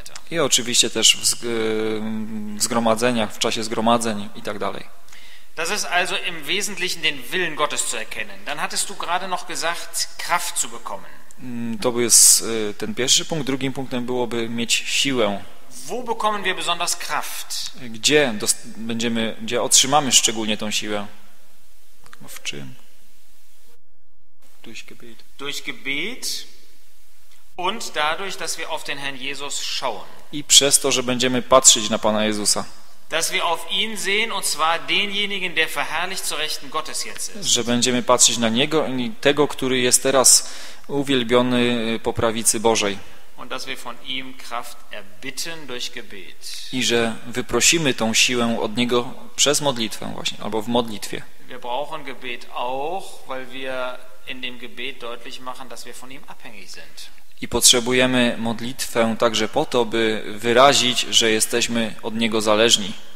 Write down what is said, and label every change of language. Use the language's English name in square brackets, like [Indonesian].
[Polish] I oczywiście też w zgromadzeniach, w czasie zgromadzeń i tak dalej. [German] Das ist also im Wesentlichen den Willen Gottes zu erkennen. Dann hattest du gerade noch gesagt, Kraft zu bekommen. [Polish] To jest ten pierwszy punkt. Drugim punktem byłoby mieć siłę. [German] Wo bekommen wir besonders Kraft? [Polish] Gdzie otrzymamy szczególnie tą siłę? W czym? [German] Durch Gebet. Durch Gebet und dadurch, dass wir auf den Herrn Jesus schauen. [Polish] I przez to, że będziemy patrzeć na Pana Jezusa. [German] Dass wir auf ihn sehen und zwar denjenigen, der verherrlicht zu Rechten Gottes jetzt ist. [Polish] Że będziemy patrzeć na niego i tego, który jest teraz uwielbiony po prawicy Bożej. [German] Und dass wir von ihm Kraft erbitten durch Gebet. [Polish] I że wyprosimy tą siłę od niego przez modlitwę właśnie, albo w modlitwie. [German] Wir brauchen Gebet auch, weil wir in dem Gebet deutlich machen, dass wir von ihm abhängig sind. [Polish] I potrzebujemy modlitwę także po to, by wyrazić, że jesteśmy od Niego zależni.